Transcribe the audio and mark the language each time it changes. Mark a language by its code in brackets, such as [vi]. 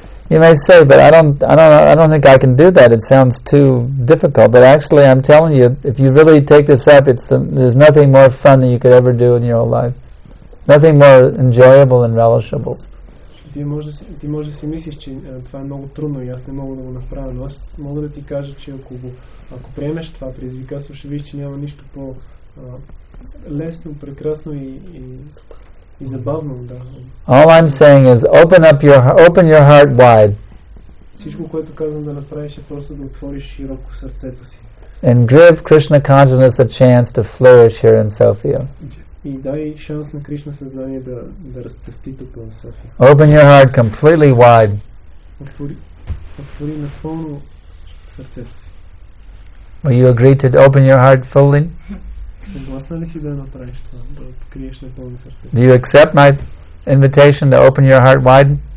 [en] You may say, but I don't think I can do that. It sounds too difficult. But actually, I'm telling you, if you really take this up, there's nothing more fun than you could ever do in your whole life. Nothing more enjoyable and relishable. [bg] Ти може да си мислиш, че това е много трудно и аз не мога да го направя, но аз мога да ти кажа, че ако приемеш това предизвикателство, ще видиш, че няма нищо по лесно, прекрасно и забавно. Да. [en] All I'm saying is open your heart wide. [bg] Всичко, което казвам да направиш, е просто да отвориш широко сърцето си. [en] And give Krishna consciousness a chance to flourish here in Sofia. [bg] И дай шанс на Кришна съзнание да разцъфти тук в Сафия. [en] Open your heart completely wide. [bg] Отвори напълно сърцето си. [en] Will you agree to open your heart fully? [bg] Съгласна ли си да направиш това, да откриеш напълно сърцето си? [en] Do you accept my invitation to open your heart wide?